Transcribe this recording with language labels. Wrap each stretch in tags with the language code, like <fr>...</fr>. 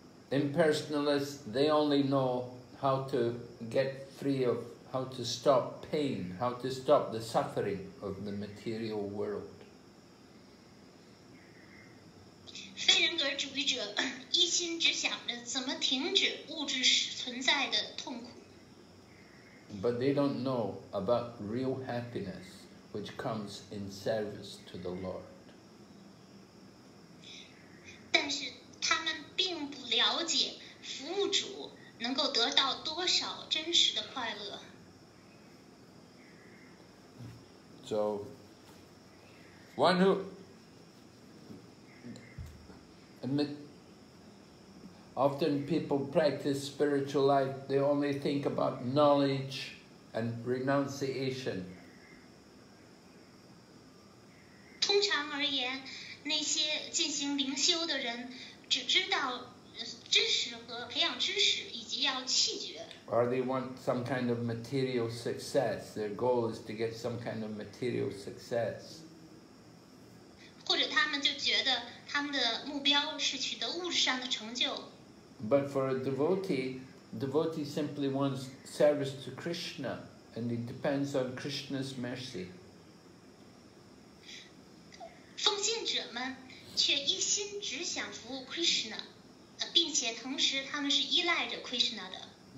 <en>Impersonalists, they only know how to get free of how to stop pain, how to stop the suffering of the material world.</en> <zh>非人格主义者一心只想着怎么停止物质存在的痛苦。</zh> <en>But they don't know about real happiness, which comes in service to the Lord.</en> <zh>但是他们并不了解服务主能够得到多少真实的快乐。</zh> <en>So, one who often people practice spiritual life, they only think about knowledge and renunciation.</en> <zh>通常而言，那些进行灵修的人只知道知识和培养知识，以及要弃绝。</zh> <en>Or they want some kind of material success. Their goal is to get some kind of material success.</en> <zh>或者他们就觉得他们的目标是取得物质上的成就。</zh> <en>But for a devotee, devotee simply wants service to Krishna, and it depends on Krishna's mercy.</en> <zh>奉信者们却一心只想服务 Krishna， 并且同时他们是依赖着 Krishna 的。</zh>